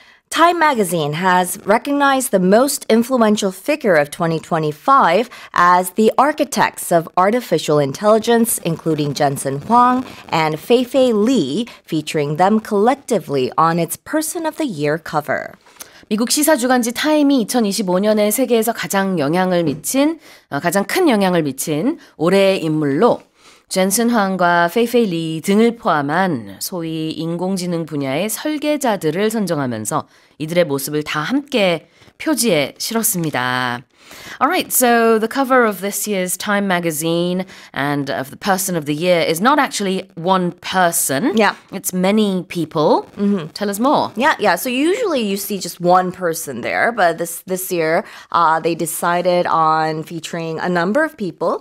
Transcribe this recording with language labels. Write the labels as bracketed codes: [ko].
[en] Time magazine has recognized the most influential figure of 2025 as the architects of artificial intelligence, including Jensen Huang and Fei-Fei Li, featuring them collectively on its Person of the Year cover. [ko] 미국 시사주간지 타임이 2025년에 세계에서 가장 영향을 미친, 가장 큰 영향을 미친 올해의 인물로 젠슨 황과 페이페이 리 등을 포함한 소위 인공지능 분야의 설계자들을 선정하면서 이들의 모습을 다 함께 표지에 실었습니다. [en] Alright, so the cover of this year's Time magazine and of the Person of the Year is not actually one person. Yeah. It's many people. Mm-hmm. Tell us more. Yeah, yeah. So usually you see just one person there, but this year they decided on featuring a number of people.